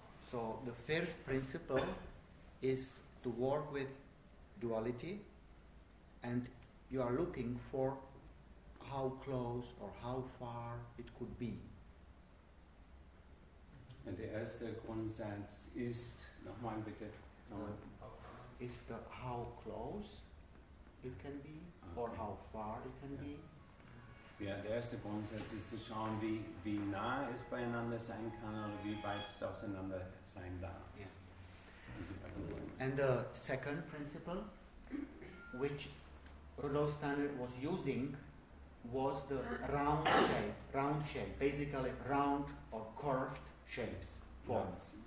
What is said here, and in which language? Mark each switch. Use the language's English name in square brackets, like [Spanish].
[English] So the first principle is to work with duality, and you are looking for how close or how far it could be. And the [German] erste Grundsatz ist, nochmal bitte, [English] is the how close it can be, okay, or how far it can be. [German] Ja, der erste Grundsatz ist zu schauen, wie nah es beieinander sein kann oder wie weit es auseinander sein darf. [English] Yeah. And the second principle, which Rudolf Steiner was using, was the round shape, basically round or curved shapes, forms.